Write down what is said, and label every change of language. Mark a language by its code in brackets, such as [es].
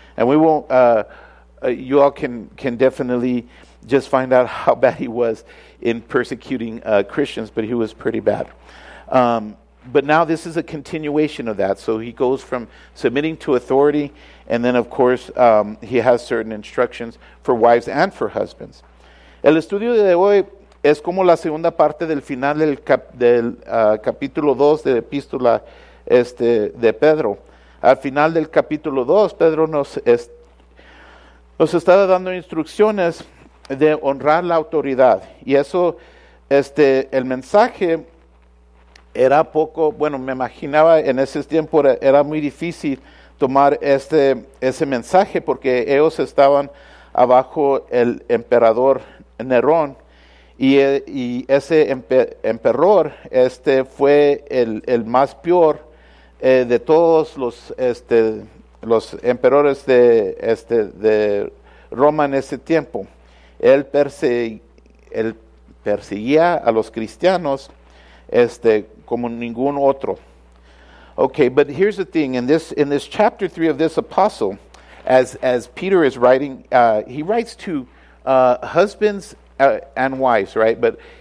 [en] And we won't, you all can definitely just find out how bad he was in persecuting Christians, but he was pretty bad. But now this is a continuation of that. So he goes from submitting to authority, and then, of course, he has certain instructions for wives and for husbands. [es] El estudio de hoy es como la segunda parte del final del capítulo 2 de epístola de Pedro. Al final del capítulo 2, Pedro nos está dando instrucciones de honrar la autoridad. Y eso, el mensaje era poco, bueno, me imaginaba en ese tiempo era muy difícil tomar ese mensaje, porque ellos estaban abajo el emperador Nerón, y ese emperador fue el más peor de todos los emperadores de Roma en ese tiempo. Él perseguía a los cristianos como ningún otro. [en] Okay, but here's the thing. In this chapter 3 of this epistle, as Peter is writing, he writes to husbands and wives, right? But